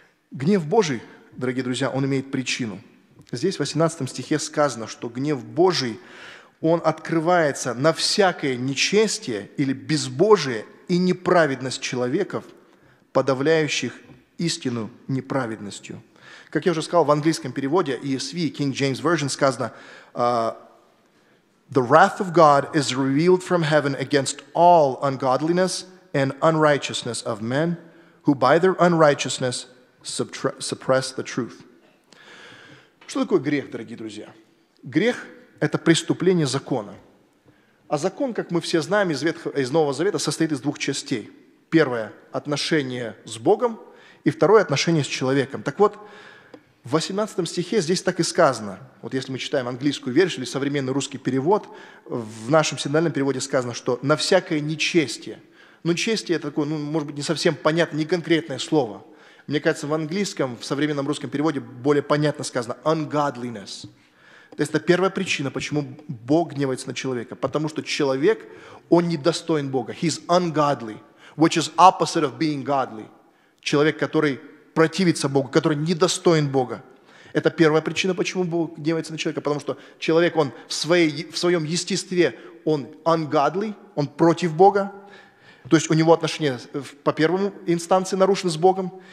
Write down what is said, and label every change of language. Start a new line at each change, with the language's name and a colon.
Russian: Гнев Божий, дорогие друзья, он имеет причину. Здесь в 18 стихе сказано, что гнев Божий, он открывается на всякое нечестие или безбожие и неправедность человеков, подавляющих истину неправедностью. Как я уже сказал, в английском переводе
English: ESV, King James Version, сказано «The wrath of God is revealed from heaven against all ungodliness and unrighteousness of men, who by their unrighteousness suppress the truth».
Russian: Что такое грех, дорогие друзья? Грех – это преступление закона. А закон, как мы все знаем из Нового Завета, состоит из двух частей. Первое – отношение с Богом, и второе – отношение с человеком. Так вот, в 18 стихе здесь так и сказано. Вот если мы читаем английскую версию или современный русский перевод, в нашем синодальном переводе сказано, что «на всякое нечестие». Ну, честие – это такое, ну, может быть, не совсем понятное, не конкретное слово. Мне кажется, в английском, в современном русском переводе более понятно сказано «ungodliness». То есть это первая причина, почему Бог гневается на человека. Потому что человек, он недостоин Бога.
English: He's ungodly, which is opposite of being godly.
Russian: Человек, который противится Богу, который недостоин Бога. Это первая причина, почему Бог гневается на человека, потому что человек, он в своем естестве, он ungodly, он против Бога, то есть у него отношения по первому инстанции нарушены с Богом.